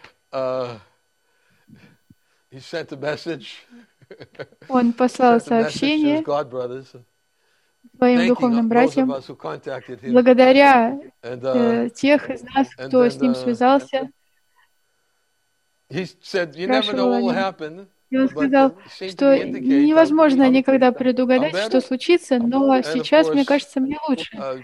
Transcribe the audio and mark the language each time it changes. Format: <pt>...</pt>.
<en>He sent a message.</en> <ru>Он послал сообщение своим духовным братьям, благодаря тех из нас, кто с ним связался.</ru> <en>He said, "You never know what will happen."</en> <ru>И он сказал, что невозможно никогда предугадать, что случится, но сейчас, мне кажется, мне лучше.</ru>